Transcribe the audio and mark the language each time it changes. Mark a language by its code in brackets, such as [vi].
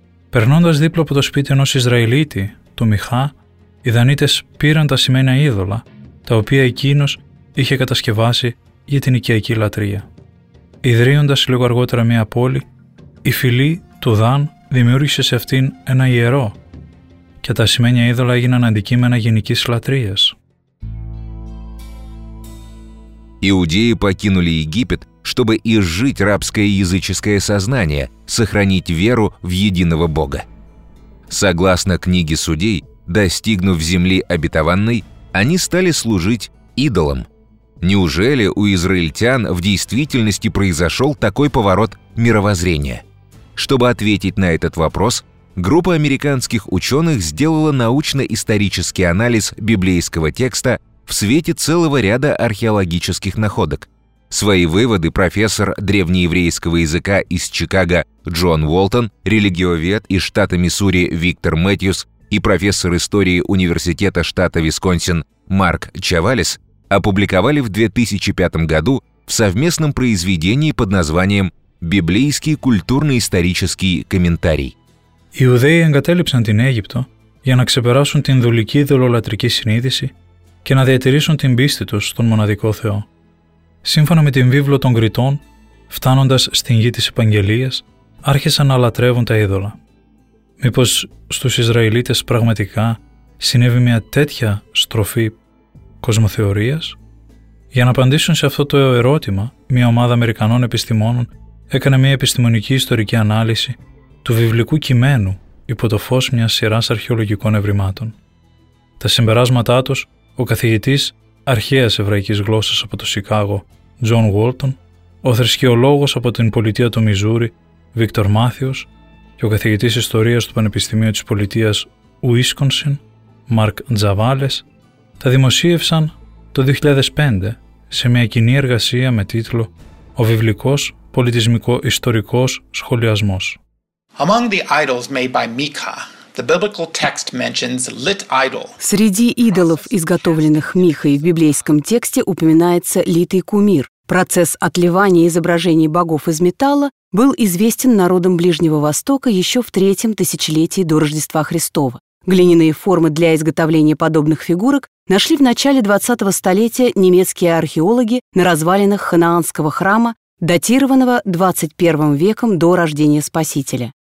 [el] Περνώντας δίπλα από το σπίτι ενός Ισραηλίτη, του Μιχά, οι Δανίτες πήραν τα σημαίνια είδωλα, τα οποία εκείνος είχε κατασκευάσει για την οικιακή λατρεία. Ιδρύοντας λίγο αργότερα μία πόλη, η φυλή του Δαν δημιούργησε σε αυτήν ένα ιερό και τα σημαίνια είδωλα έγιναν αντικείμενα γενικής λατρείας. [ru] Иудеи покинули Египет, чтобы изжить рабское языческое сознание, сохранить веру в единого Бога. Согласно книге Судей, достигнув земли обетованной, они стали служить идолам. Неужели у израильтян в действительности произошел такой поворот мировоззрения? Чтобы ответить на этот вопрос, группа американских ученых сделала научно-исторический анализ библейского текста в свете целого ряда археологических находок. Свои выводы профессор древнееврейского языка из Чикаго Джон Уолтон, религиовед из штата Миссури Виктор Мэтьюс и профессор истории Университета штата Висконсин Марк Чавалис опубликовали в 2005 году в совместном произведении под названием «Библейский культурно-исторический комментарий». Иудеи [el] εγκατέλειψαν την Αίγυπτο για να ξεπεράσουν την δουλική ιδωλολατρική συνείδηση και να διατηρήσουν την πίστη τους στον μοναδικό Θεό. Σύμφωνα με την Βίβλο των Κριτών, φτάνοντας στην γη της Επαγγελίας, άρχισαν να λατρεύουν τα είδωλα. Μήπως στους Ισραηλίτες πραγματικά συνέβη μια τέτοια στροφή κοσμοθεωρίας? Για να απαντήσουν σε αυτό το ερώτημα, μια ομάδα Αμερικανών επιστημόνων έκανε μια επιστημονική ιστορική ανάλυση του βιβλικού κειμένου υπό το φως μιας σειράς αρχαιολογικών ευρημάτων. Τα συμπεράσματά τους, ο καθηγητής αρχαίας εβραϊκής γλώσσας από το Σικάγο, Τζον Γουόλτον, ο θρησκεολόγος από την πολιτεία του Μιζούρι, Βίκτορ Μάθιος, και ο καθηγητής ιστορίας του Πανεπιστημίου της πολιτείας Ουίσκονσιν, Μαρκ Τζαβάλες, τα δημοσίευσαν το 2005 σε μια κοινή εργασία με τίτλο «Ο βιβλικός πολιτισμικο-ιστορικός σχολιασμός». [en] Among the idols made by Micha, the biblical text mentions lit idol. [ru] Среди идолов, изготовленных Михой в библейском тексте, упоминается литый кумир. Процесс отливания изображений богов из металла был известен народам Ближнего Востока еще в третьем тысячелетии до Рождества Христова. Глиняные формы для изготовления подобных фигурок нашли в начале 20-го столетия немецкие археологи на развалинах Ханаанского храма, датированного 21 веком до рождения Спасителя.